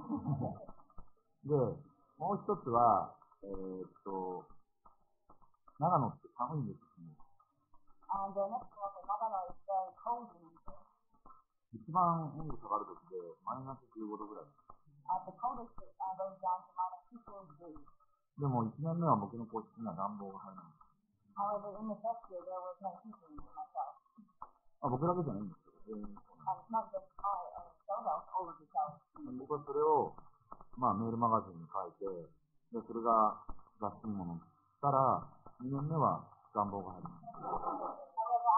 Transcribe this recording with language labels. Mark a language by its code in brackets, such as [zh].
[ja] で、もう一つは、長野って寒いんですよね。 [en] And the next one is 長野 is very cold in winter. [ja] 一番温度下がる時でマイナス15度ぐらい。 [en] At the coldest it goes down to minus 15 degrees. [ja] でも1年目は僕の個室には暖房が入らない。 [en] However, in the first year there was no heating in myself. [ja] あ、僕だけじゃないんですよ。僕はそれを、まあ、メールマガジンに書いて、でそれが雑誌にも載ったら、2年目は暖房が入りました。